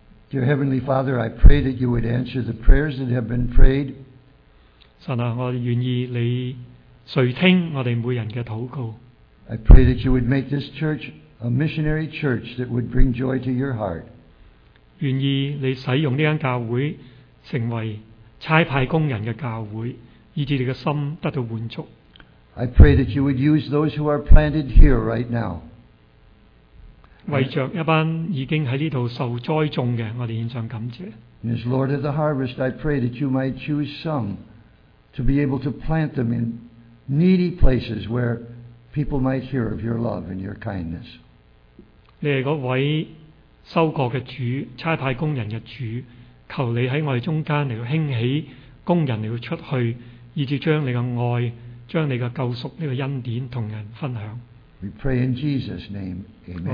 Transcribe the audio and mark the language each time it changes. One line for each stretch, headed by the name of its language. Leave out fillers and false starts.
English: Dear Heavenly Father, I pray that you would answer the prayers that have been prayed.
Chinese: 神啊，我愿意你垂听我们每人的祷告。
English: I pray that you would make this church a missionary church that would bring joy to your heart.
Chinese: 愿意你使用这间教会成为差派工人的教会，以致你的心得到满足。
English: I pray that you would use those who are planted here right now.
Chinese: 为着一班已经在这里受栽种的，我们献上感谢。
English: And as Lord of the harvest, I pray that you might choose some to be able to plant them in needy places where people might hear of your love and your kindness.
Chinese: 你是那位收割的主，差派工人的主，求你在我们中间来兴起工人来出去，以致将你的爱，将你的救赎，这个恩典和人分享。
English: We pray in Jesus' name. Amen.